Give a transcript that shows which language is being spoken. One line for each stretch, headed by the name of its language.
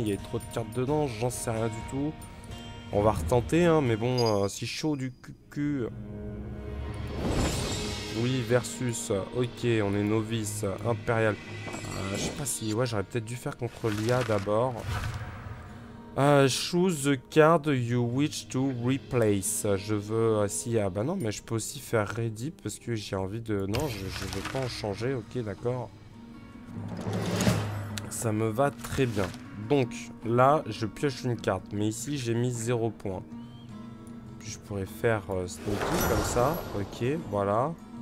French: Il y avait trop de cartes dedans, j'en sais rien du tout. On va retenter, hein, mais bon, si chaud du cul. Oui, versus. Ok, on est novice, impérial. Je sais pas si. Ouais, j'aurais peut-être dû faire contre l'IA d'abord.
English: Choose the card you wish to replace.
French: Je veux si ah bah non, mais je peux aussi faire ready parce que j'ai envie de non, je veux pas en changer. Ok, d'accord, ça me va très bien. Donc là je pioche une carte, mais ici j'ai mis 0 points. Je pourrais faire sneaky comme ça. Ok, voilà.